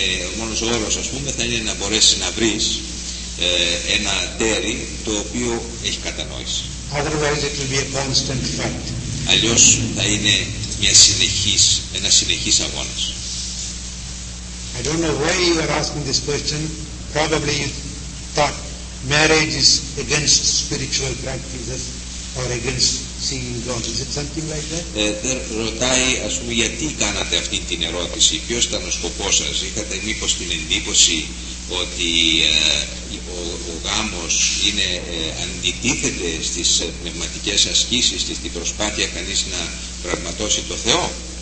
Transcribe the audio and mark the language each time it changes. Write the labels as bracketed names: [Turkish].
[Greek] Ο μόνος όρος, ας πούμε, θα είναι να μπορέσεις να βρεις ένα τέρι το οποίο έχει κατανόηση. [English] Otherwise it will be a constant fight. [Greek] Αλλιώς θα είναι ένας συνεχής αγώνας. [English] I don't know why you are asking this question. Probably you thought marriage is against spiritual practices. are against seeing God. Is it something like that? [Greek] Ρωτάει, ας πούμε, γιατί κάνατε αυτή την ερώτηση. Ποιος ήταν ο σκοπός σας. Είχατε μήπως την εντύπωση ότι ο γάμος είναι αντιτίθεται στις πνευματικές ασκήσεις, στην προσπάθεια κανείς να πραγματώσει το Θεό.